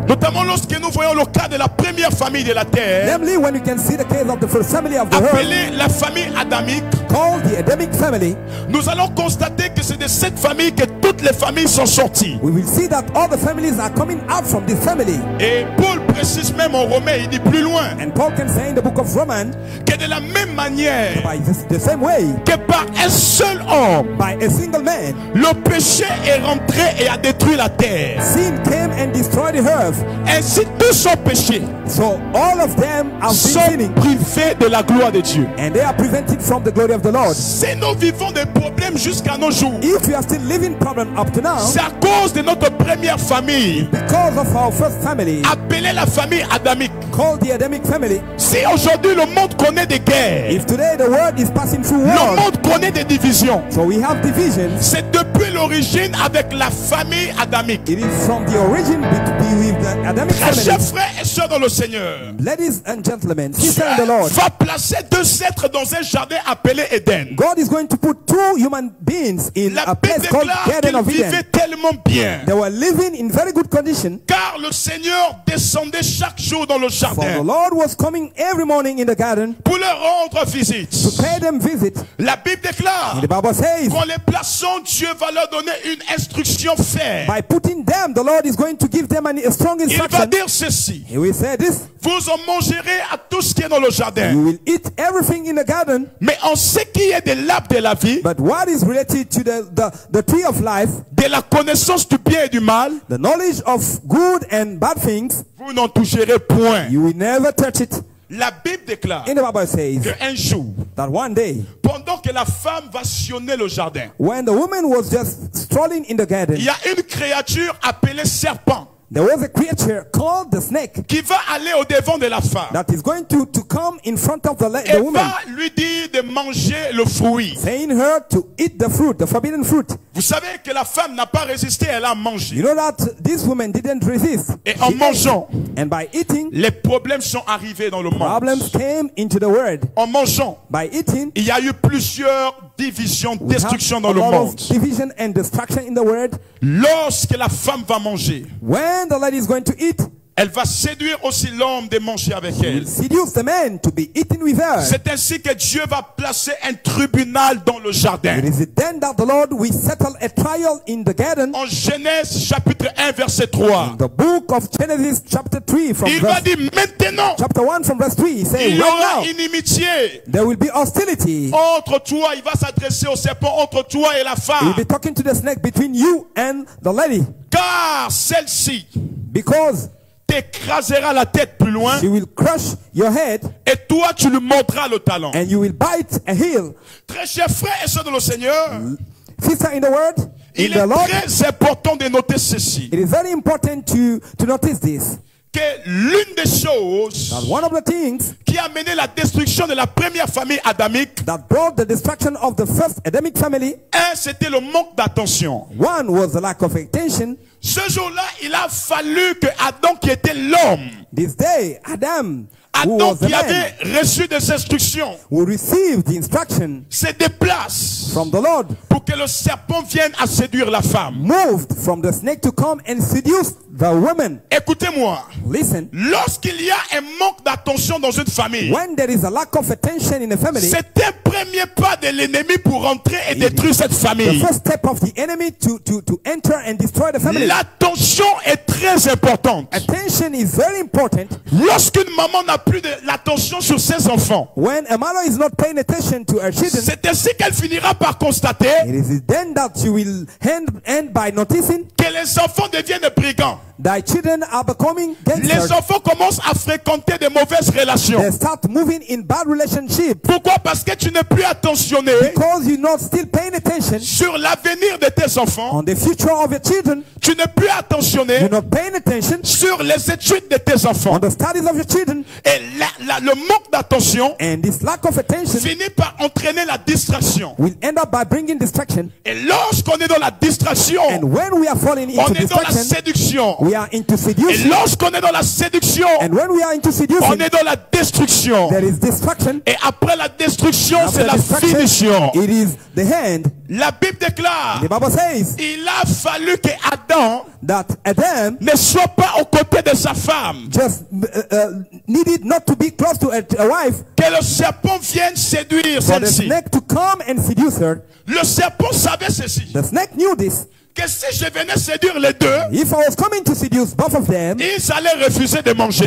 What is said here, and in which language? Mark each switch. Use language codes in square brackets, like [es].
[fr] notamment lorsque nous voyons le cas de la première famille de la terre, [en] namely when we can see the case of the first family of the earth, [fr] appelée la famille adamique, [en] called the Adamic family, [fr] nous allons constater que c'est de cette famille que toutes les familles sont sorties. [en] We will see that all the families are coming out from this family. [fr] Et Paul précise même en Romains, il dit plus loin, [en] and Paul can say in the book of Romans, [fr] que de la même manière, [en] by the same way, [fr] que par un seul homme, [en] by a single man, [fr] le péché est rentré et a détruit la terre. [en] Sin came and destroyed the earth. [fr] Ainsi tous sont péchés. [en] So all of them have [fr] sont [en] been [fr] privés de la gloire de Dieu. [en] And they are prevented from the glory of the Lord. [fr] Si nous vivons des problèmes jusqu'à nos jours, [en] if we are still living problem up to now, [fr] c'est à cause de notre première famille, [en] because of our first family, [fr] appelée la famille adamique, [en] called the Adamic family. [fr] Si aujourd'hui le monde connaît des guerres, [en] if today the world is passing through war, [fr] le monde connaît des divisions, [en] so we have divisions, [fr] c'est depuis l'origine avec la famille adamique. [en] It is from the origin to be with the Adamic family. [fr] Très chers frères et sœurs dans le Seigneur, [en] ladies and gentlemen, sisters in the Lord, [fr] va placer deux êtres dans un jardin appelé Eden. [en] God is going to put two human beings in [fr] la [en] a place called Garden of Eden. [fr] Ils vivaient tellement bien. [en] They were living in very good condition. [fr] Car le Seigneur descendait chaque jour dans le jardin. [en] For the Lord was coming every morning in the garden. [fr] Pour leur rendre visite. [en] To pay them visit. [fr] La Bible déclare. [en] The Bible says. [fr] Quand les plaçons, Dieu va leur donner une instruction ferme. [en] By putting them, the Lord is going to give them a strong instruction. [fr] Il va dire ceci. [en] He will say this. [fr] Vous en mangerez à tout ce qui est dans le jardin. [en] You will eat everything in the garden. [fr] Mais en ce qui est de l'arbre de la vie. [en] But what is related to the tree of life. [fr] De la connaissance du bien et du mal. [en] The knowledge of good and bad things. [fr] Vous n'en toucherez point. [en] You will never touch it. [fr] La Bible déclare. [en] In the Bible says. [fr] Que un jour. [en] That one day. [fr] Pendant que la femme va sillonner le jardin. [en] When the woman was just strolling in the garden. [fr] Il y a une créature appelée serpent. [en] There was a creature called the snake [fr] qui va aller au devant de la femme. [en] That is going to come in front of the [fr] et Et va lui dire de manger le fruit. [en] Saying her to eat the fruit, the forbidden fruit. [fr] Vous savez que la femme n'a pas résisté, elle a mangé. [en] You know that this woman didn't resist. [fr] Et en mangeant, [en] and by eating, [fr] les problèmes sont arrivés dans le monde. [en] Problems came into the world. [fr] En mangeant, [en] by eating, [fr] il y a eu plusieurs divisions, destructions dans le monde. [en] Division and destruction in the world. [fr] Lorsque la femme va manger, [en] when the lady is going to eat, [fr] elle va séduire aussi l'homme de manger avec elle. [en] Seduce the man to be eaten with her. [fr] C'est ainsi que Dieu va placer un tribunal dans le jardin. [en] It is then that the Lord will settle a trial in the garden. [fr] En Genèse chapitre 1 verset 3. [en] In the book of Genesis chapter 3 from [fr] il [en] verse. [fr] Il va dire maintenant. [en] Chapter 1 from verse 3. Say, [fr] il y aura [en] right now, [fr] inimitié. [en] There will be hostility. [fr] Entre toi, il va s'adresser au serpent entre toi et la femme. [en] He will be talking to the snake between you and the lady. [fr] Car celle-ci. [en] Because [fr] t'écrasera la tête plus loin. [en] She will crush your head, [fr] et toi, tu lui montreras le talon. [en] And you will bite a heel. [fr] Très chers frères et sœurs dans le Seigneur, [en] sister in the word, [fr] il est très important de noter ceci. [en] It is very important to notice this. [fr] Que l'une des choses [en] that one of the things [fr] qui a mené la destruction de la première famille adamique, [en] that brought the destruction of the first Adamic family, [fr] un, c'était le manque d'attention. [en] One was the lack of attention. [fr] Ce jour-là, il a fallu que Adam, qui était l'homme, [en] this day, Adam, Adam who was [fr] qui [en] the man, [fr] avait reçu des instructions, [en] who received the instruction, [fr] se déplace [en] from the Lord, [fr] pour que le serpent vienne à séduire la femme. [en] Moved from the snake to come and seduce the woman. [fr] Écoutez-moi. [en] Listen. [fr] Lorsqu'il y a un manque d'attention dans une famille, [en] when there is a lack of attention in a family, [fr] c'est un premier pas de l'ennemi pour entrer et détruire cette famille. [en] The first step of the enemy to enter and destroy the family. [fr] L'attention est très importante. [en] Attention is very important. [fr] Lorsqu'une maman n'a plus de l'attention sur ses enfants, [en] when a mother is not paying attention to her children, [fr] c'est ainsi qu'elle finira par constater. [en] It is then that you will end by noticing [fr] que les enfants deviennent brigands. [en] Thy children are becoming gangsters. [fr] Les enfants commencent à fréquenter des mauvaises relations. [en] They start moving in bad relationships. [fr] Pourquoi? Parce que tu n'es plus attentionné. [en] Because you're not still paying attention. [fr] Sur l'avenir de tes enfants. [en] On the future of your children. [fr] Tu n'es plus attentionné. [en] You're not paying attention. [fr] Sur les études de tes enfants. [en] On the studies of your children. [fr] Et le manque d'attention. [en] And this lack of attention. [fr] Finit par entraîner la distraction. [en] Will end up by bringing distraction. [fr] Et lorsqu'on est dans la distraction. [en] And when we are falling falling into deception. [fr] Séduction. [en] We are into seduction. [fr] Et lorsqu'on est dans la séduction, [en] and when we are into seduction, [fr] on est dans la destruction. [en] There is destruction. [fr] Et après la destruction, c'est la finition. [en] It is the end. [fr] La Bible déclare. [en] The Bible says, [fr] il a fallu que Adam, [en] that Adam [fr] ne soit pas aux côtés de sa femme. [en] Just needed not to be close to a wife. [fr] Que le serpent vienne séduire celle-ci. [en] For the snake to come and seduce her. [fr] Le serpent savait ceci. [en] The snake knew this. [fr] Que si je venais séduire les deux, [en] if I was coming to seduce both of them, [fr] ils allaient refuser de manger.